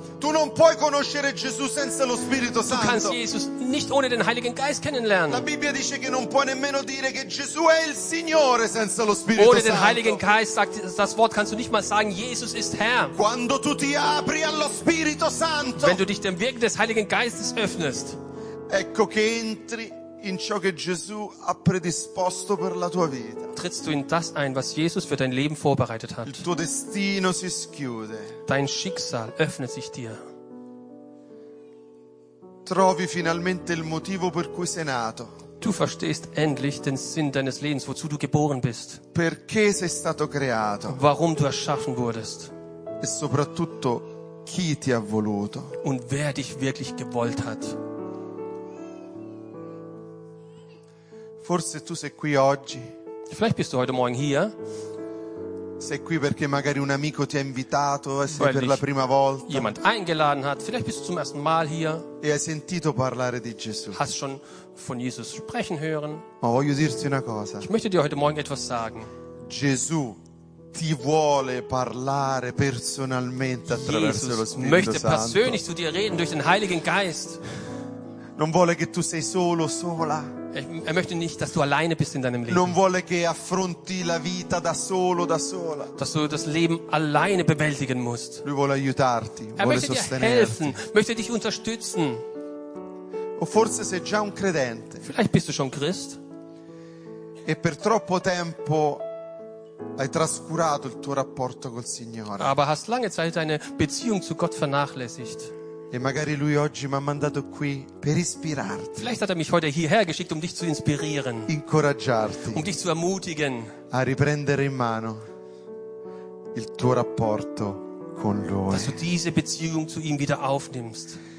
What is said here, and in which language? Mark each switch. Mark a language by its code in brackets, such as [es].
[it] Tu non puoi conoscere Gesù senza lo Spirito Santo. [de] Du kannst Jesus nicht ohne den Heiligen Geist kennenlernen. [it] La Bibbia dice che non puoi nemmeno dire che Gesù è il Signore senza lo Spirito [de] ohne [it] Santo. [de] Ohne den Heiligen Geist, sagt das Wort, kannst du nicht mal sagen, Jesus ist Herr. [it] Quando tu ti apri allo Spirito Santo. [de] Wenn du dich dem Wirken des Heiligen Geistes öffnest. [it] Ecco che entri in ciò che Gesù ha predisposto per la tua vita. [de] Trittst du in das ein, was Jesus für dein Leben vorbereitet hat. [it] Il tuo destino si schiude. [de] Dein Schicksal öffnet sich dir. [it] Trovi finalmente il motivo per cui sei nato. [de] Du verstehst endlich den Sinn deines Lebens, wozu du geboren bist. [it] Perché sei stato creato. [de] Warum du erschaffen wurdest. [it] E soprattutto chi ti ha voluto. [de] Und wer dich wirklich gewollt hat. [it] Forse tu sei qui oggi. [de] Vielleicht bist du heute morgen hier. [it] Sei qui perché magari un amico ti ha invitato e sei per la prima volta. [de] Jemand eingeladen hat. Vielleicht bist du zum ersten Mal hier. [it] E hai sentito parlare di Gesù. [de] Hast schon von Jesus sprechen hören. [it] Ma voglio dirti una cosa. [de] Ich möchte dir heute morgen etwas sagen. [it] Gesù ti vuole parlare personalmente attraverso lo Spirito Santo. [de] Jesus möchte persönlich zu dir reden durch den Heiligen Geist. [it] Non vuole che tu sei solo, sola. [de] Er möchte nicht, dass du alleine bist in deinem Leben. [it] Non vuole che affronti la vita da solo, da sola. [de] Dass du das Leben alleine bewältigen musst. [it] Lui vuole aiutarti, [de] er [it] vuole [de] möchte [it] sostenerti. [de] Dir helfen, möchte dich unterstützen. [it] O forse sei già un credente. [de] Vielleicht bist du schon Christ. [it] E per troppo tempo hai trascurato il tuo rapporto col Signore. [de] Aber hast lange Zeit deine Beziehung zu Gott vernachlässigt. [it] E magari lui oggi mi ha mandato qui per ispirarti. [de] Vielleicht hat er mich heute hierher geschickt, um dich zu inspirieren. [it] Incoraggiarti. [de] Um dich zu ermutigen. [it] A riprendere in mano il tuo rapporto con lui. [de] Dass du diese Beziehung zu ihm wieder aufnimmst.